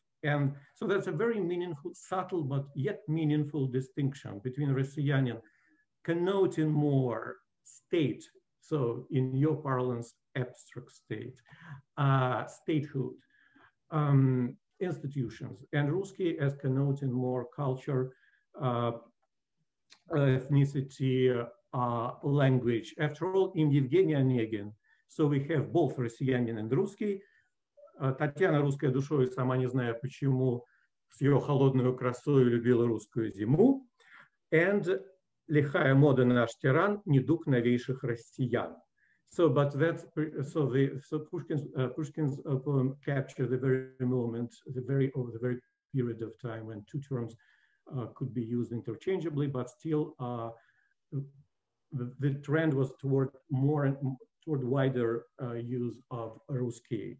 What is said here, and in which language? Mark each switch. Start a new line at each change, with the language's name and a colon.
English: And so that's a very meaningful, subtle, but yet meaningful distinction between Rossiyanin connoting more state, so in your parlance, abstract state, statehood, institutions, and Ruski as connoting more culture, ethnicity, language. After all, in Evgeny Onegin, so we have both Rossiyanin and Ruski.
Russian: Татьяна русская душой, сама не зная почему, с ее холодной красой любила русскую зиму.
English: And
Russian: лихая мода наш тиран, недуг новейших россиян.
English: Пушкин's poem captured the very moment, the very period of time when two terms could be used interchangeably, but still the trend was toward wider use of Ruski.